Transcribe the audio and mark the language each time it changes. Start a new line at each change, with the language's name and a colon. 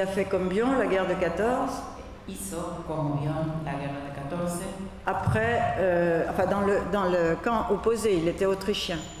French: a fait comme Bion, la guerre de 14.
Spanish: Hizo con Bion la guerra de 14.
French: Après, enfin dans le camp opposé, il était autrichien.